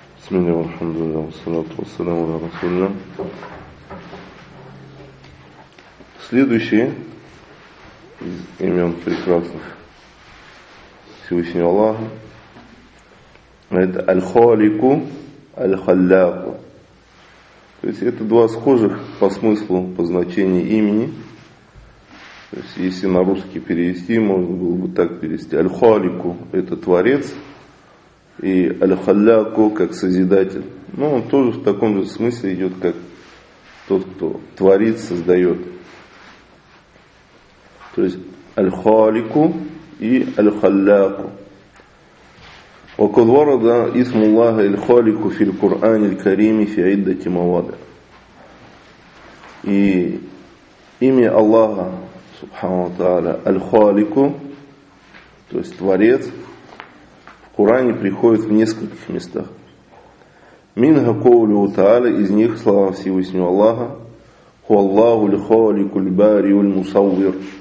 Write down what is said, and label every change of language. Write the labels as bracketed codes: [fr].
[ar] بسم الله والحمد لله والصلاة والسلام على رسول الله. [ru] Следующие из имен прекрасных Всевышнего Аллаха это Аль-Халику, Аль-Халляку. То есть это два схожих по смыслу, по значению имени. То есть если на русский перевести, можно было бы так перевести. Аль-Халику – это творец, и Аль-Халляку – как созидатель. Но он тоже в таком же смысле идет, как тот, кто творит, создает. То есть Аль-Халику и Аль-Халляку. [ar] وقد ورد اسم الله الخالق في القرآن الكريم في عدة مواضع. [ru] И имя Аллаха Субхану Тааля Аль-Халику, то есть творец, в Коране приходит в нескольких местах. [ar] Минха каулю Тааля, [ru] из них слова Всевышнего Аллаха: [ar] Ху Аллаху аль-Халику аль-Барию аль-Мусаввир.